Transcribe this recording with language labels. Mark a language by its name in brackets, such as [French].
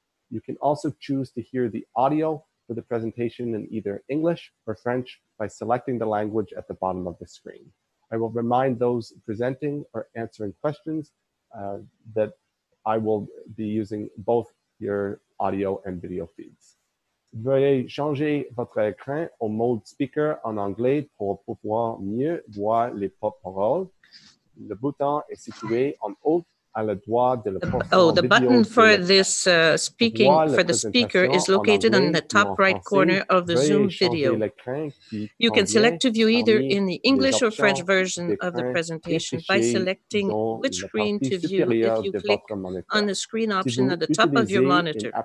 [English] You can also choose to hear the audio for the presentation in either English or French by selecting the language at the bottom of the screen. I will remind those presenting or answering questions that I will be using both your audio and video feeds. [French] Veuillez changer votre écran au mode speaker en anglais pour pouvoir mieux voir les paroles. Le bouton est situé en haut à la droite de la porte. [English] Oh, the button for this speaking for the speaker is located on the top right corner of the Zoom video. You can select to view either in the English or French version of the presentation by selecting which screen to view if you click on the screen option at the top of your monitor.